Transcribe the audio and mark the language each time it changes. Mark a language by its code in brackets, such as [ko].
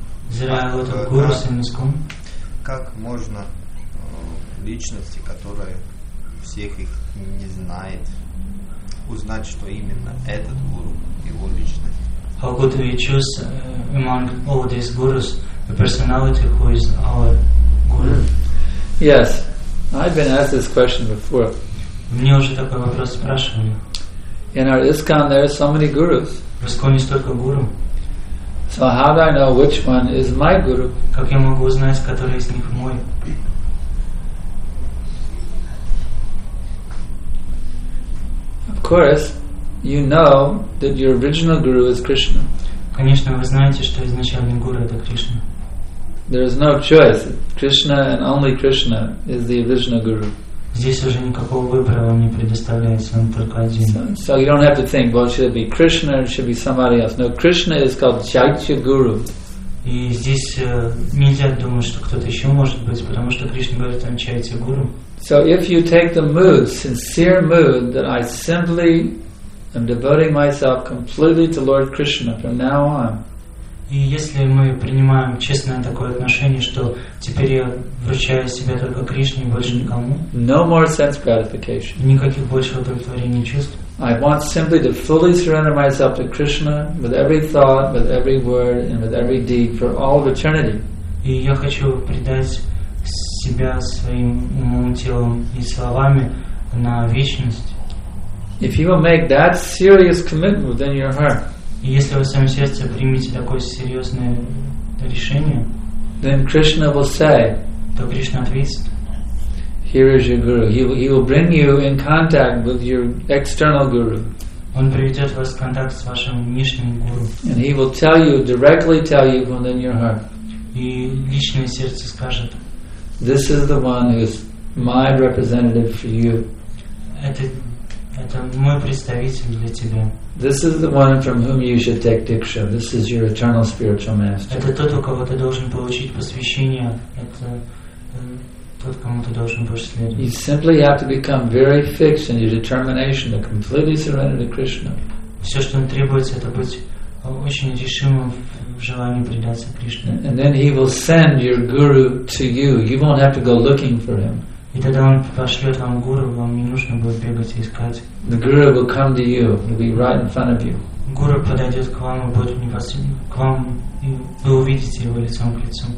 [ru] Израиль, вот гуру с Иском. Как можно личности, которые всех их не знает, узнать, что именно этот гуру, его личность? [en] How could we choose among all these gurus the personality who is our guru? Yes, I've been asked this question before. [ru] Мне уже такой вопрос спрашивали. [en] In our ISKCON there are so many gurus. [ru] В ISKCON столько гуру. [en] So how do I know which one is my guru? [ru] Как я могу узнать, который из них мой? [en] Of course, you know that your original guru is Krishna. [ru] Конечно, вы знаете, что изначальный гуру это Кришна. [en] There is no choice. Krishna and only Krishna is the original guru. [ru] Здесь уже никакого выбора вам не предоставляется, он только один. [en] So you don't have to think, well, should it be Krishna or should it be somebody else? No, Krishna is called Chaitya Guru. [ru] И здесь нельзя думать, что кто-то еще может быть, потому что Кришна говорит, он Чайтья Гуру. [en] So if you take the mood, sincere mood, that I simply am devoting myself completely to Lord Krishna from now on. [ru] И если мы принимаем честное такое отношение, что теперь я вручаю себя только Кришне и больше никому. [en] No more sense gratification. [ru] Никаких больше удовлетворений чувств. [en] I want simply to fully surrender myself to Krishna with every thought, with every word, and with every deed for all of eternity. [ru] И я хочу предать себя своим умом, телом и словами на вечность. [en] If you will make that serious commitment within your heart, [ru] и если вы в своем сердце примете такое серьезное решение, [en] then Krishna will say, [ru] то Кришна ответит, [en] here is your guru. He will bring you in contact with your external guru. [ru] Он приведет вас в контакт с вашим внешним гуру. [en] And he will tell you, directly tell you within your heart. [ru] И личное сердце скажет, [en] this is the one who is my representative for you. [ru] Это мой представитель для тебя. [en] This is the one from whom you should take diksha. This is your eternal spiritual master. [ru] Это тот, у кого ты должен получить посвящение. Это тот, кому ты должен будешь следовать. [en] You simply have to become very fixed in your determination to completely surrender to Krishna. [ru] Все, что требуется, это быть очень решимым в желании предаться Кришне. [en] And then he will send your guru to you. You won't have to go looking for him. [ru] И тогда он пошлет вам гуру, вам не нужно будет бегать и искать. [en] The guru will come to you. He'll be right in front of you. [ru] Гуру подойдет к вам и будет непосредственно к вам, и вы увидите его лицом к лицу.